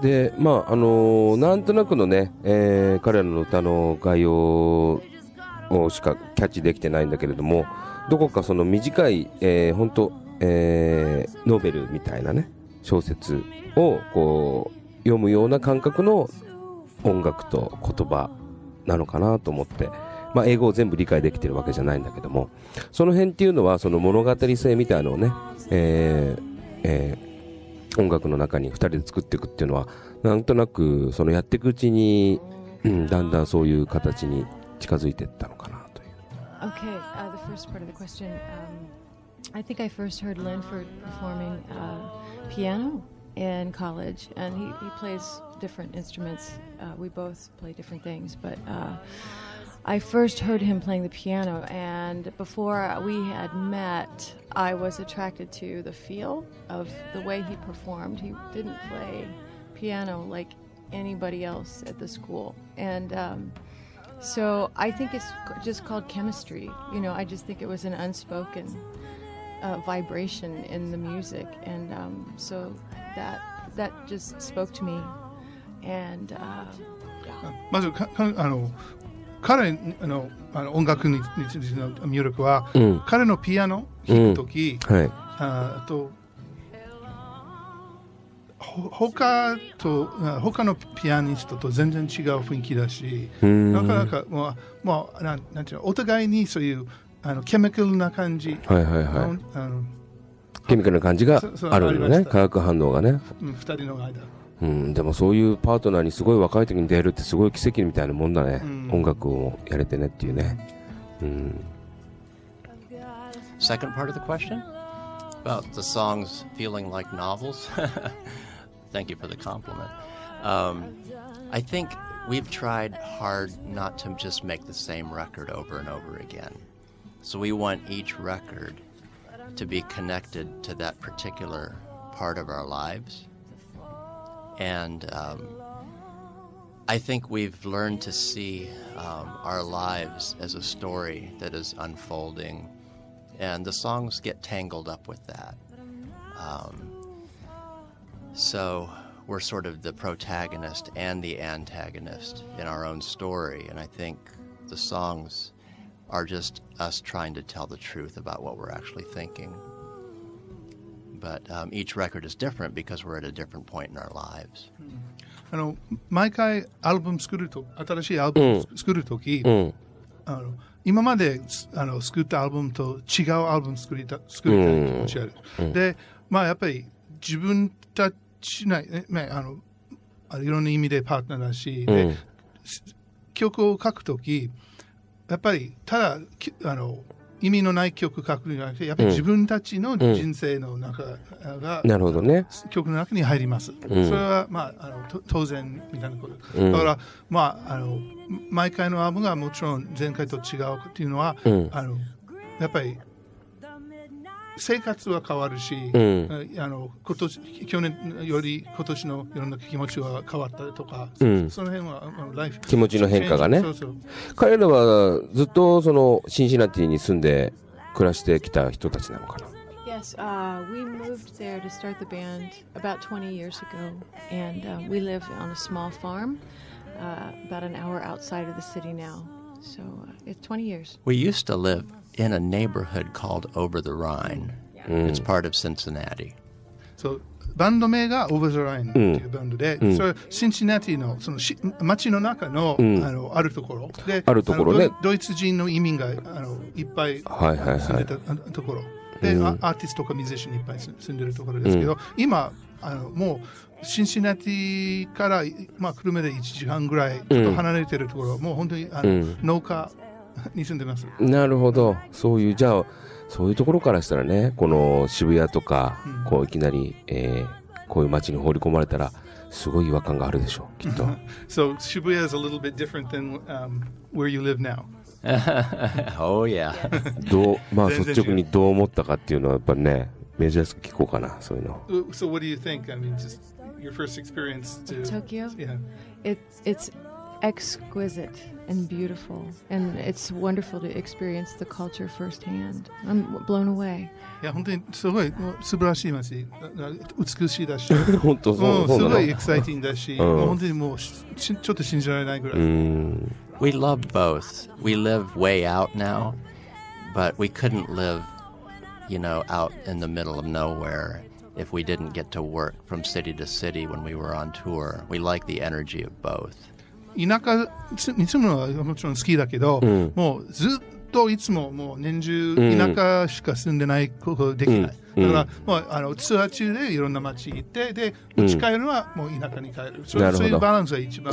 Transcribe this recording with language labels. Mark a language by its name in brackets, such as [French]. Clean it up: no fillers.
[Japanese] で、まあなんとなくのね、彼らの歌の概要をしかキャッチできてないんだけれども、どこかその短い本当、ノベルみたいなね小説をこう読むような感覚の音楽と言葉なのかなと思って、まあ、英語を全部理解できてるわけじゃないんだけども、その辺っていうのはその物語性みたいなのをね、音楽の中に2人で作っていくっていうのはなんとなくそのやっていくうちに、うん、だんだんそういう形に近づいていったのかなという。 [English] Okay, the first part of the question, I think I first heard Linford performing piano in college, and he plays different instruments. We both play different things, but I first heard him playing the piano, and before we had met, I was attracted to the feel of the way he performed. He didn't play piano like anybody else at the school, and so I think it's just called chemistry. You know, I just think it was an unspoken. Vibration in the music, and so that just spoke to me. And [Japanese] まず彼 の, あの音楽についての魅力は、うん、彼のピアノ弾く時、うん、はい、あと他のピアニストと全然違う雰囲気だし、なかなかもう、まあ、なんていうの、お互いにそういうあのケミカルな感じ、はいはいはい、あのケミカルな感じがあるよね、化学反応がね、二、うん、人の間、うん、でもそういうパートナーにすごい若い時に出会えるってすごい奇跡みたいなもんだね、うん、音楽をやれてねっていうね、うん、 [English] Second part of the question about the songs feeling like novels. Thank you for the compliment. I think we've tried hard not to just make the same record over and over again. So we want each record to be connected to that particular part of our lives. And I think we've learned to see our lives as a story that is unfolding. And the songs get tangled up with that. So we're sort of the protagonist and the antagonist in our own story. And I think the songs are just us trying to tell the truth about what we're actually thinking. But each record is different because we're at a different point in our lives. [Japanese] あの、毎回アルバム作ると、新しいアルバム作るとき、あの、今まで、あの、作ったアルバムと違うアルバム作りた、作りたい気持ちある。で、まあやっぱり自分たちしない、ね、あのいろんな意味でパートナーだし、で、うん、曲を書くときやっぱりただあの意味のない曲を書くんじゃなくて、やっぱり自分たちの人生の中が、うん、なるほどね、曲の中に入ります、うん、それは、まあ、あの当然みたいなこと、うん、だから、まあ、あの毎回のアルバムがもちろん前回と違うっていうのは、うん、あのやっぱり生活は変わるし、うん、あの今年去年より今年のいろんな気持ちは変わったとか、うん、その辺はあのライフ気持ちの変化がね、そうそう、彼らはずっとそのシンシナティに住んで暮らしてきた人たちなのかな。 [English] Yes, we moved there to start the band about 20 years ago and we live on a small farm about an hour outside of the city now, so it's 20 years. We used to liveIn a neighborhood called Over the Rhine. Yeah. It's part of Cincinnati. [Japanese] So, バンド名が Over the Rhine っていうバンドで、うん、それはシンシナティのその町の中の、うん、あのあるところで、あるところね。ドイツ人の移民があのいっぱい住んでた、はいはいはい、ところで、うん、アーティストとかミュージシャンいっぱい住んでるところですけど、うん、今あのもうシンシナティからまあ車で1時間ぐらいちょっと離れてるところ、うん、もう本当にあの、うん、農家に住んでます。なるほど、そういう、じゃあそういうところからしたらね、この渋谷とか、うん、こういきなり、こういう街に放り込まれたらすごい違和感があるでしょう、きっと。 [English] So, 渋谷 is a little bit different than、where you live now. Oh yeah. [Japanese] どう、まあ率直にどう思ったかっていうのはやっぱね、珍しく聞こうかな、そういうの。 [English] So what do you think? I mean, just your first experience to Tokyo? Yeah. It's exquisite and beautiful, and it's wonderful to experience the culture firsthand. I'm blown away. [Japanese] Yeah, 本当にすごい素晴らしい街、美しいだし、本当そう、すごい exciting だし、本当にもうちょっと信じられないぐらい。 [English] We love both. We live way out now, but we couldn't live, you know, out in the middle of nowhere if we didn't get to work from city to city when we were on tour. We like the energy of both. [Japanese] 田舎に住むのはもちろん好きだけど、うん、もうずっといつももう年中田舎しか住んでないことできない、うん、だからもうあのツアー中でいろんな町行って、で打ち帰るのはもう田舎に帰る、うん、そういうバランスが一番、